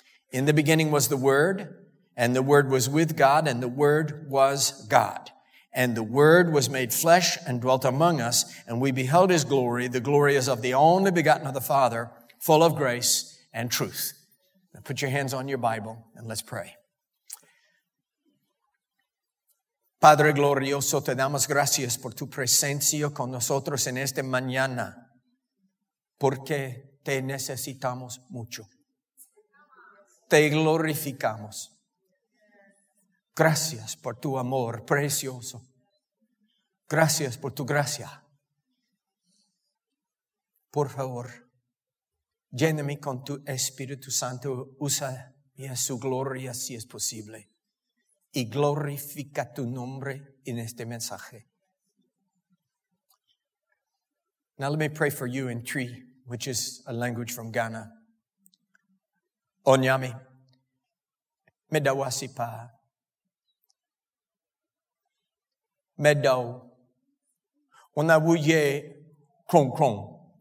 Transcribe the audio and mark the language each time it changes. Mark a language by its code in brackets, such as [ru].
[en] In the beginning was the Word, and the Word was with God, and the Word was God. And the Word was made flesh and dwelt among us, and we beheld his glory. The glory is of the only begotten of the Father, full of grace and truth. Now put your hands on your Bible, and let's pray. [es] Padre glorioso, te damos gracias por tu presencia con nosotros en esta mañana, porque te necesitamos mucho. Te glorificamos. Gracias por tu amor precioso. Gracias por tu gracia. Por favor, lléname con tu Espíritu Santo. Usa su gloria si es posible. Y glorifica tu nombre en este mensaje. [en] Now let me pray for you in Cree, which is a language from Ghana. [ak] Onyami. Medawasipa. Medaw. Onabuye krong krong.